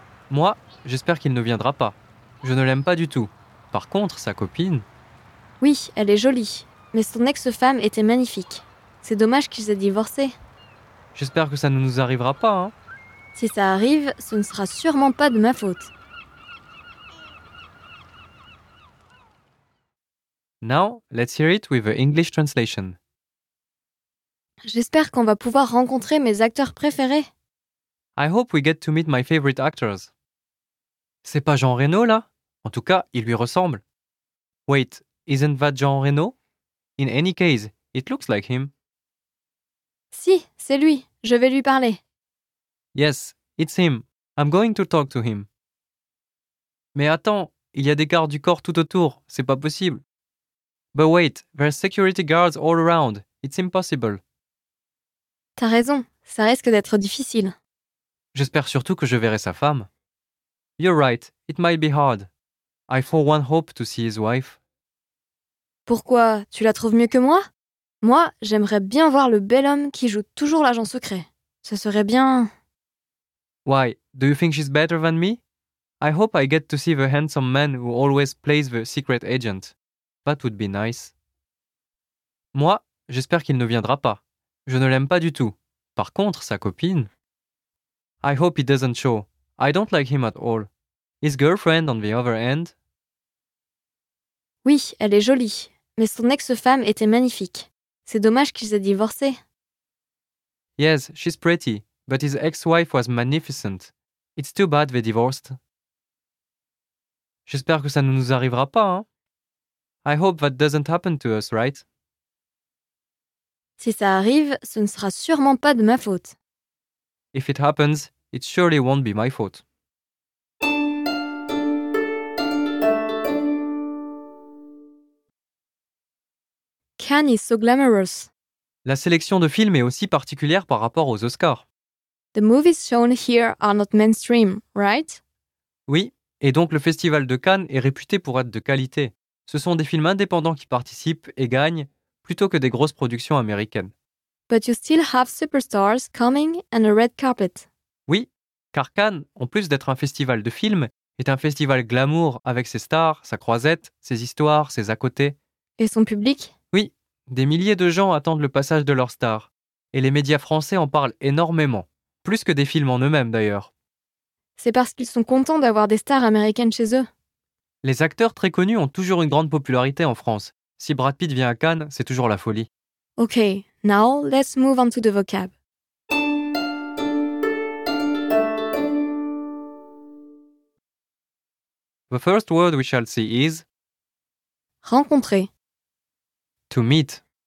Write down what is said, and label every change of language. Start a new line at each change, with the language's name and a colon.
French: Moi, j'espère qu'il ne viendra pas. Je ne l'aime pas du tout. Par contre, sa copine... Oui, elle est jolie. Mais son ex-femme était magnifique. C'est dommage qu'ils aient divorcé. J'espère que ça ne nous arrivera pas, hein. Si ça arrive, ce ne sera sûrement pas de ma faute.
English: Now, let's hear it with the English translation.
French: J'espère qu'on va pouvoir rencontrer mes acteurs préférés.
English: I hope we get to meet my favorite actors.
French: C'est pas Jean Reno, là? En tout cas, il lui ressemble.
English: Wait, isn't that Jean Reno? In any case, it looks like him.
French: Si, c'est lui. Je vais lui parler.
English: Yes, it's him. I'm going to talk to him.
French: Mais attends, il y a des gardes du corps tout autour. C'est pas possible.
English: But wait, there's security guards all around. It's impossible.
French: T'as raison, ça risque d'être difficile. J'espère surtout que je verrai sa femme.
English: You're right, it might be hard. I for one hope to see his wife.
French: Pourquoi? Tu la trouves mieux que moi? Moi, j'aimerais bien voir le bel homme qui joue toujours l'agent secret. Ce serait bien...
English: Why, do you think she's better than me? I hope I get to see the handsome man who always plays the secret agent. That would be nice.
French: Moi, j'espère qu'il ne viendra pas. Je ne l'aime pas du tout. Par contre, sa copine...
English: I hope he doesn't show. I don't like him at all. His girlfriend on the other end?
French: Oui, elle est jolie. Mais son ex-femme était magnifique. C'est dommage qu'ils aient divorcé.
English: Yes, she's pretty. But his ex-wife was magnificent. It's too bad they divorced.
French: J'espère que ça ne nous arrivera pas, hein?
English: I hope that doesn't happen to us, right?
French: Si ça arrive, ce ne sera sûrement pas de ma faute.
English: If it happens, it surely won't be my fault. Cannes is so glamorous.
French: La sélection de films est aussi particulière par rapport aux Oscars.
English: The movies shown here are not mainstream, right?
French: Oui, et donc le festival de Cannes est réputé pour être de qualité. Ce sont des films indépendants qui participent et gagnent, plutôt que des grosses productions américaines.
English: But you still have superstars coming and a red carpet.
French: Oui, car Cannes, en plus d'être un festival de films, est un festival glamour avec ses stars, sa croisette, ses histoires, ses à-côtés. Et son public? Oui, des milliers de gens attendent le passage de leurs stars. Et les médias français en parlent énormément, plus que des films en eux-mêmes d'ailleurs. C'est parce qu'ils sont contents d'avoir des stars américaines chez eux. Les acteurs très connus ont toujours une grande popularité en France. Si Brad Pitt vient à Cannes, c'est toujours la folie.
English: Ok, now let's move on to the vocab. The first word we shall see is...
French: Rencontrer.
English: To meet.